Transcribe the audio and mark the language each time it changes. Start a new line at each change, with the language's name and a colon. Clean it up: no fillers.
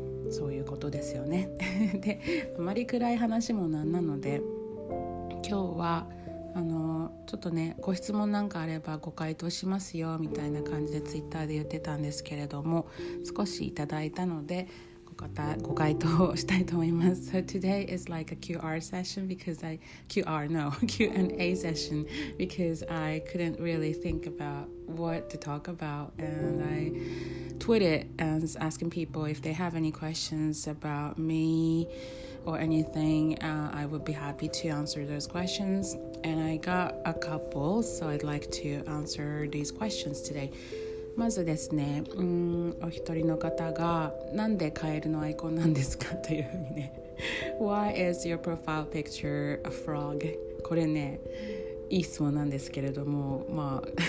Japanese: そういうことですよね。で、あまり暗い話もなんなので、今日はちょっとねご質問なんかあればご回答しますよみたいな感じでツイッターで言ってたんですけれども少しいただいたのでご回答をしたいと思います
English: So today is like a QR session because I QR no Q&A session because I couldn't really think about what to talk about and I tweeted and asking people if they have any questions about meor anything, I would be happy to answer those questions. And I got a couple, so I'd like to answer these questions today.
Japanese: まずですね、お一人の方がなんでカエルのアイコンなんですかというふうにね。
English: Why is your profile picture a frog?
Japanese: これね、いい質問なんですけれども、まあ、